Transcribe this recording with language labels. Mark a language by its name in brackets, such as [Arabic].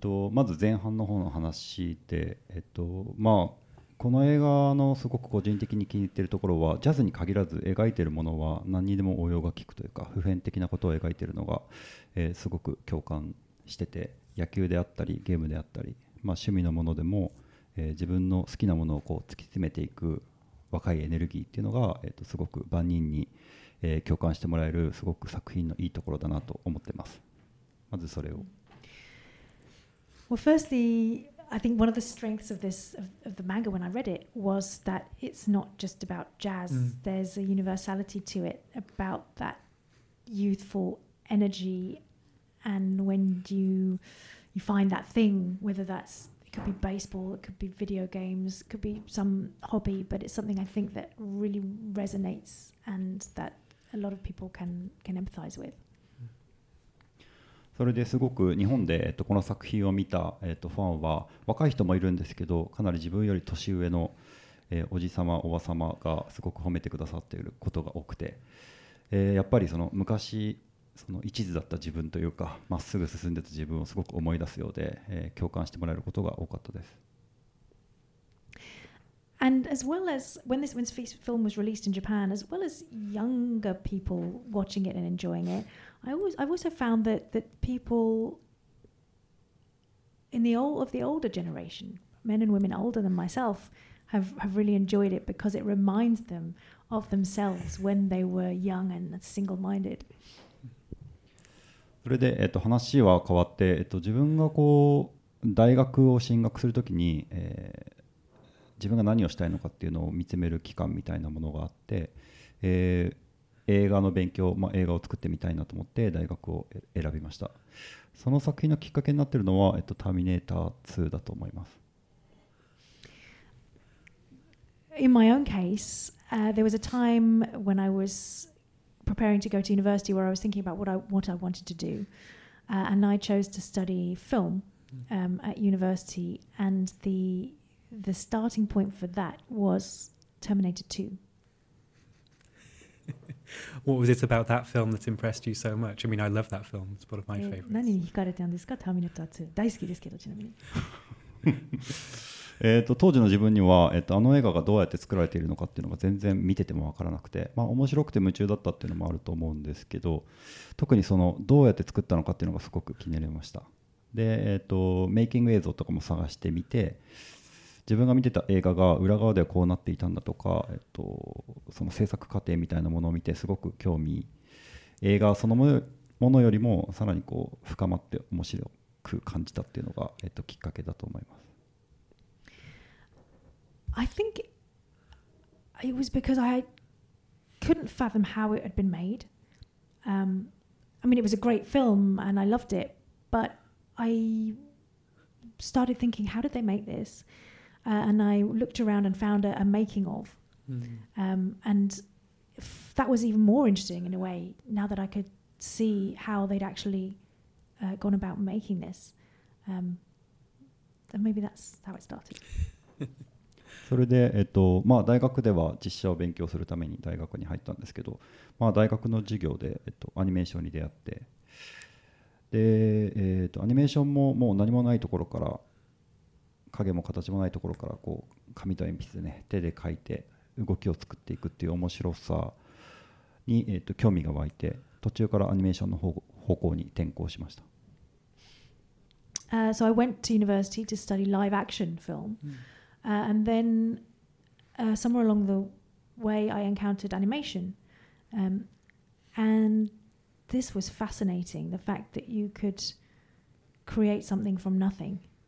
[Japanese] まず前半の方の話で、この映画のすごく個人的に気に入っているところはジャズに限らず描いているものは何にでも応用が効くというか普遍的なことを描いているのが、すごく共感してて野球であったりゲームであったり、趣味のものでも自分の好きなものをこう突き詰めていく若いエネルギーっていうのが、すごく万人に、共感してもらえるすごく作品のいいところだなと思ってます。まずそれを。 [English] Well, firstly, I think one of the strengths of this of the manga when I read it was that it's not just about jazz.、Mm. There's a universality to it about that youthful energy And when you find that thing, whether that's, it could be baseball, it could be video games, it could be some hobby, but it's something I think that really resonates and that a lot of people can empathize with. [Japanese] それですごく日本でこの作品を見たファンは若い人もいるんですけど、かなり自分より年上のおじさま、おばさまがすごく褒めてくださっていることが多くて、やっぱりその昔その一途だった自分というか、まっすぐ進んでた自分をすごく思い出すようで、共感してもらえることが多かったです。 [English] And as well as when this film was released in Japan, as well as younger people watching it and enjoying it, I've also found that people of the older generation, men and women older than myself, have really enjoyed it because it reminds them of themselves when they were young and single-minded. [Japanese] それで話は変わって自分がこう大学を進学するときに、自分が何をしたいのかっていうのを見つめる期間みたいなものがあって、映画の勉強、まあ、映画を作ってみたいなと思って大学を選びました。その作品のきっかけになってるのは、ターミネーター2だと思います。 [English] In my own case, there was a time when I was preparing to go to university where I was thinking about what I wanted to do. And I chose to study film at university. And the starting point for that was Terminator 2. What was it about that film that impressed you so much? I mean, I love that film. It's one of my favorites. [Japanese] 何に惹かれたんですか? [English] Terminator 2. [Japanese] 大好きですけど、ちなみに。当時の自分には、あの映画がどうやって作られているのかっていうのが全然見てても分からなくて、まあ、面白くて夢中だったっていうのもあると思うんですけど、特にそのどうやって作ったのかっていうのがすごく気になりました。で、メイキング映像とかも探してみて、自分が見てた映画が裏側ではこうなっていたんだとか、その制作過程みたいなものを見てすごく興味、映画そのものよりもさらにこう深まって面白く感じたっていうのが、きっかけだと思います。 [English] I think it was because I couldn't fathom how it had been made. I mean, it was a great film and I loved it, but I started thinking, how did they make this? And I looked around and found a making of. Mm-hmm. And that was even more interesting in a way, now that I could see how they'd actually gone about making this. And maybe that's how it started. [Japanese] それで、まあ、大学では実写を勉強するために大学に入ったんですけど、まあ、大学の授業で、アニメーションに出会って、で、アニメーションももう何もないところから、影も形もないところからこう紙と鉛筆で、ね、手で描いて動きを作っていくっていう面白さに、興味が湧いて、途中からアニメーションの方向に転向しました。 [English] So I went to university to study live action film. And then somewhere along the way, I encountered animation. And this was fascinating, the fact that you could create something from nothing.